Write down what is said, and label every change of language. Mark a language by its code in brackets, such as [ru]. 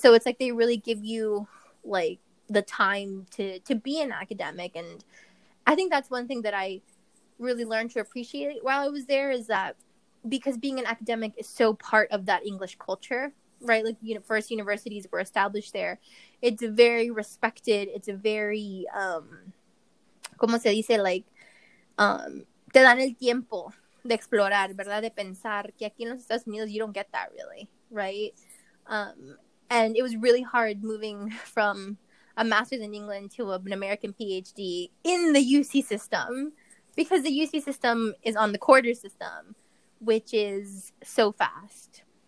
[en] So it's like they really give you, like, the time to be an academic. And I think that's one thing that I really learned to appreciate while I was there, is that because being an academic is so part of that English culture, right? Like, you know, first universities were established there. It's very respected. It's a very... [es] como se dice, like, te dan el tiempo de explorar, ¿verdad? De pensar que aquí en los Estados Unidos, [en] you don't get that really, right? And it was really hard moving from a master's in England to an American PhD in the UC system, because the UC system is on the quarter system, which is so fast.